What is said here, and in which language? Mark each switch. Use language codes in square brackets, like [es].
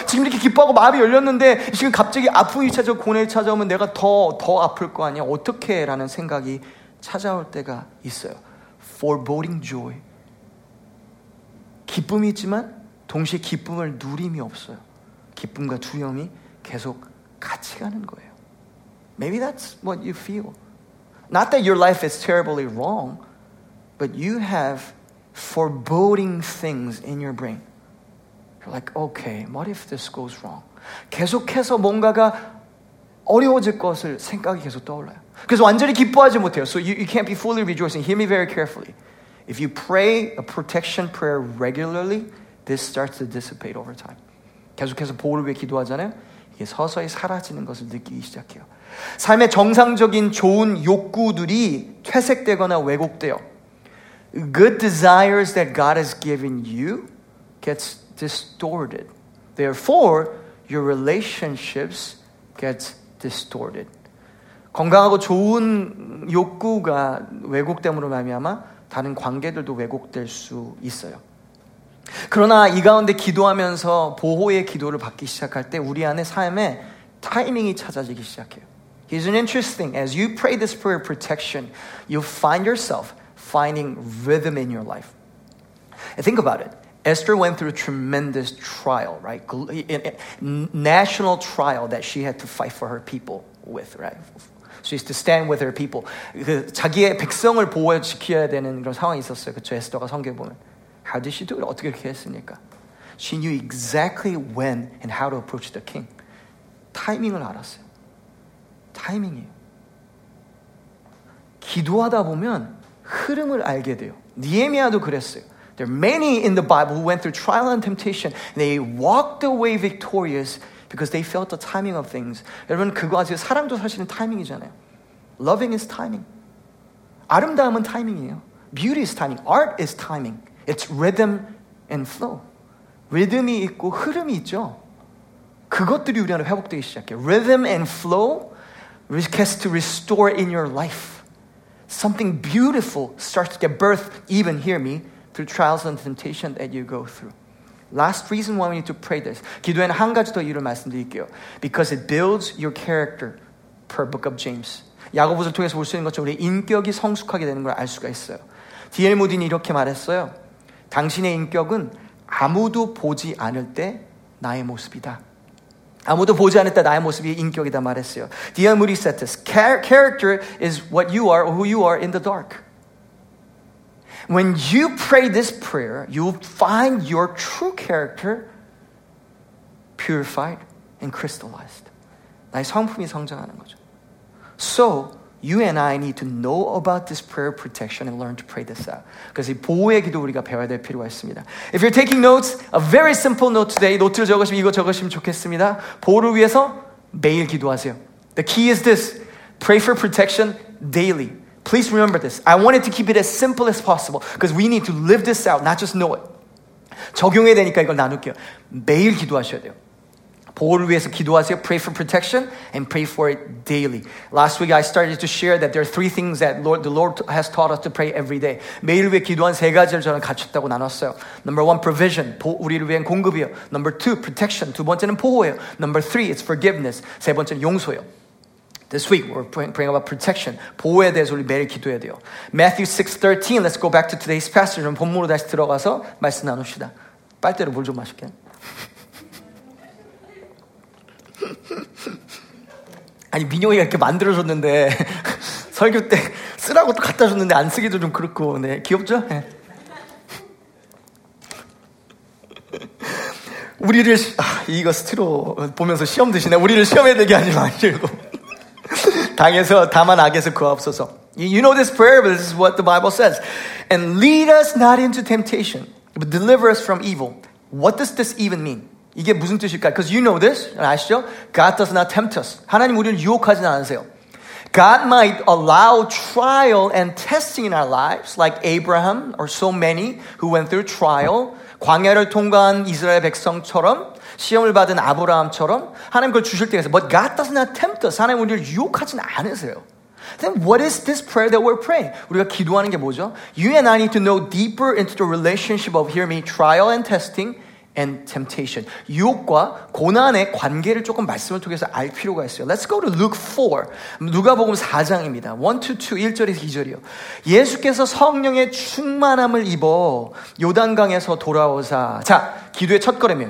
[ko] 지금 이렇게 기뻐하고 마음이 열렸는데, 지금 갑자기 아픔이 찾아오고 고뇌 찾아오면 내가 더 아플 거 아니야? 어떡해? 라는 생각이 찾아올 때가 있어요. [en] Foreboding joy. [ko] 기쁨이 있지만, 동시에 기쁨을 누림이 없어요. 기쁨과 두려움이 계속 같이 가는 거예요. [en] Maybe that's what you feel. Not that your life is terribly wrong, but you have foreboding things in your brain. You're like, okay, what if this goes wrong? [ko] 계속해서 뭔가가 어려워질 것을 생각이 계속 떠올라요. 그래서 완전히 기뻐하지 못해요. [en] So you can't be fully rejoicing. Hear me very carefully. If you pray a protection prayer regularly, this starts to dissipate over time. [ko] 계속해서 보호를 위해 기도하잖아요. 이게 서서히 사라지는 것을 느끼기 시작해요. 삶의 정상적인 좋은 욕구들이 퇴색되거나 왜곡돼요. [en] Good desires that God has given you gets distorted. Therefore, your relationships gets distorted. [ko] 건강하고 좋은 욕구가 왜곡됨으로 말미암아 다른 관계들도 왜곡될 수 있어요. 그러나 이 가운데 기도하면서 보호의 기도를 받기 시작할 때 우리 안에 삶에 타이밍이 찾아지기 시작해요. [en] Here's an interesting. As you pray this prayer of protection, you'll find yourself finding rhythm in your life. And think about it. Esther went through a tremendous trial, right? National trial that she had to fight for her people with, right? She used to stand with her people. [ko] 자기의 백성을 보호해 지켜야 되는 그런 상황이 있었어요. 그렇죠? 에스더가 성경에 보면. [en] How did she do it? [ko] 어떻게 그렇게 했습니까? [en] She knew exactly when and how to approach the king. [ko] 타이밍을 알았어요. 타이밍이에요. 기도하다 보면 흐름을 알게 돼요. 니에미아도 그랬어요. [en] There are many in the Bible who went through trial and temptation. And they walked away victorious because they felt the timing of things. [ko] 여러분 그거 아세요? 사랑도 사실은 타이밍이잖아요. [en] Loving is timing. [ko] 아름다움은 타이밍이에요. [en] Beauty is timing. Art is timing. It's rhythm and flow. [ko] 리듬이 있고 흐름이 있죠. 그것들이 우리 안에 회복되기 시작해요. [en] Rhythm and flow gets to restore in your life. Something beautiful starts to get birth, even, hear me, through trials and temptation that you go through. Last reason why we need to pray this. [ko] 기도에는 한 가지 더 이유를 말씀드릴게요. [en] Because it builds your character per book of James. [ko] 야고보서 통해서 볼 수 있는 것처럼 우리의 인격이 성숙하게 되는 걸 알 수가 있어요. D.L. Moody는 이렇게 말했어요. 당신의 인격은 아무도 보지 않을 때 나의 모습이다. 아무도 보지 않을 때 나의 모습이 인격이다 말했어요. [en] D.L. Moody said this. Character is what you are or who you are in the dark. When you pray this prayer, you'll find your true character purified and crystallized. [ko] 나의 성품이 성장하는 거죠. [en] So, you and I need to know about this prayer protection and learn to pray this out. [ko] Because 이 보호의 기도 우리가 배워야 될 필요가 있습니다. [en] If you're taking notes, a very simple note today, [ko] 노트를 적으시면 이거 적으시면 좋겠습니다. 보호를 위해서 매일 기도하세요. [en] The key is this. Pray for protection daily. Please remember this. I wanted to keep it as simple as possible because we need to live this out, not just know it. [ko] 적용해야 되니까 이걸 나눌게요. 매일 기도하셔야 돼요. 보호를 위해서 기도하세요. [en] Pray for protection and pray for it daily. Last week I started to share that there are three things that the Lord has taught us to pray every day. [ko] 매일 위해 기도한 세 가지를 저는 갖췄다고 나눴어요. [en] Number one, provision. [ko] 우리를 위한 공급이요. [en] Number two, protection. [ko] 두 번째는 보호예요. [en] Number three, it's forgiveness. [ko] 세 번째는 용서요. [en] This week, we're praying about protection. [ko] 보호에 대해서 우리 매일 기도해야 돼요. [en] Matthew 6:13, let's go back to today's passage. [ko] 그럼 본문으로 다시 들어가서 말씀 나눕시다. 빨대로 물 좀 마실게. (웃음) 아니 민영이가 이렇게 만들어줬는데 설교 때 쓰라고 또 갖다 줬는데 안 쓰기도 좀 그렇고 네 귀엽죠? 네. (웃음) 우리를 이거 스트로 보면서 시험 드시네. 우리를 시험해야 되게 하지 말고 당에서 다만 악에서 구하옵소서. [en] You know this prayer, but this is what the Bible says. And lead us not into temptation, but deliver us from evil. What does this even mean? [ko] 이게 무슨 뜻일까요? [en] Because you know this, [ko] 아시죠? [en] God does not tempt us. [ko] 하나님 우리를 유혹하진 않으세요. [en] God might allow trial and testing in our lives, like Abraham or so many who went through trial, [ko] 광야를 통과한 이스라엘 백성처럼, 시험을 받은 아브라함처럼, 하나님 그걸 주실 때에서. [en] But God does not tempt us. [ko] 하나님 우리를 유혹하진 않으세요. [en] Then what is this prayer that we're praying? [ko] 우리가 기도하는 게 뭐죠? [en] You and I need to know deeper into the relationship of, hear me, trial and testing, and temptation. [ko] 유혹과 고난의 관계를 조금 말씀을 통해서 알 필요가 있어요. [en] Let's go to Luke 4. [ko] 누가복음 4장입니다. 1-2, 1절에서 2절이요. 예수께서 성령의 충만함을 입어 요단강에서 돌아오사. 자, 기도의 첫 걸음이에요.